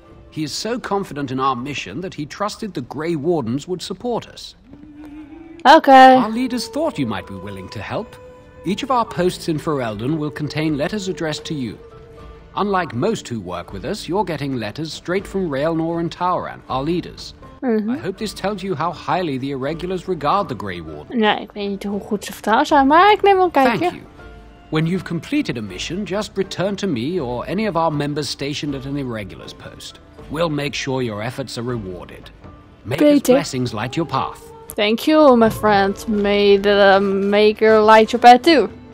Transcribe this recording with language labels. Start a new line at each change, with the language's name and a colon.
English: He is so confident in our mission that he trusted the Grey Wardens would support us. Okay. Our leaders thought you might be willing to help. Each of our posts in Ferelden will contain letters addressed to you. Unlike most who work with us, you're getting letters straight from Railnor and Tauran, our leaders. Mm-hmm. I hope this tells you how highly the Irregulars regard the Grey Warden.
Dutch: Nee, ik weet niet hoe goed ze vertrouwen zijn, maar ik neem wel een kijkje.
English: Thank you. When you've completed a mission, just return to me or any of our members stationed at an Irregulars post. We'll make sure your efforts are rewarded. May his blessings light your path. Thank you, my friend. May the maker light your path too.